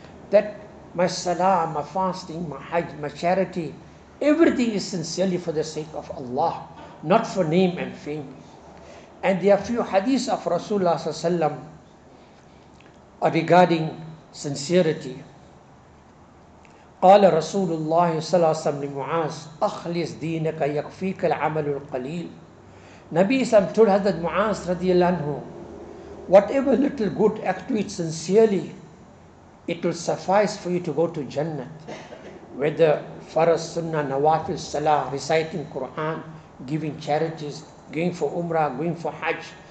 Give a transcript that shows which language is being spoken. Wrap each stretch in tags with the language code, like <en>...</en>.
<en>That my salah, my fasting, my hajj, my charity, everything is sincerely for the sake of Allah, not for name and fame. And there are few hadiths of Rasulullah sallallahu alaihi wasallam regarding sincerity.</en> <ar>قال رسول الله صلى الله عليه وسلم لمعاذ أخلص دينك يكفيك العمل القليل.</ar> <en>Nabi Islam told Hazrat Mu'az radiallahu anhu, whatever little good act you do sincerely, it will suffice for you to go to Jannah, whether Faraz, Sunnah, Nawafil, Salah, reciting Quran, giving charities, going for Umrah, going for Hajj.</en>